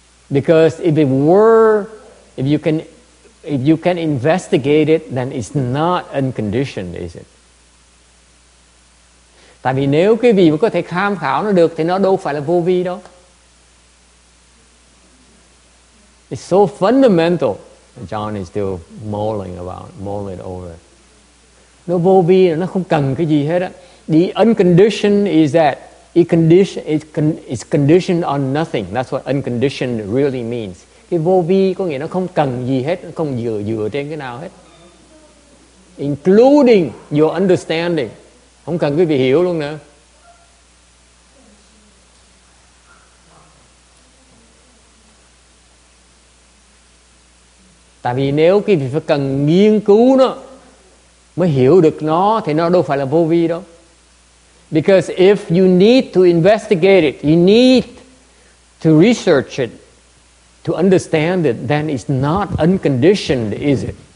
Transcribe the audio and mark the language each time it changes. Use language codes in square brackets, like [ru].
[en] Because if you can investigate it, then it's not unconditioned, is it? [vi] Tại vì nếu quý vị có thể tham khảo nó được thì nó đâu phải là vô vi đâu. [en] It's so fundamental. John is still mulling it over. [vi] Nó vô vi là nó không cần cái gì hết á. [en] The unconditioned is that it's conditioned on nothing. That's what unconditioned really means. [vi] Cái vô vi có nghĩa nó không cần gì hết, nó không dựa trên cái nào hết. [en] Including your understanding. [vi] Không cần quý vị hiểu luôn nữa. Tại vì nếu quý vị phải cần nghiên cứu nó mới hiểu được nó thì nó đâu phải là vô vi đâu. [en] Because if you need to investigate it, you need to research it, to understand it, then it's not unconditioned, is it?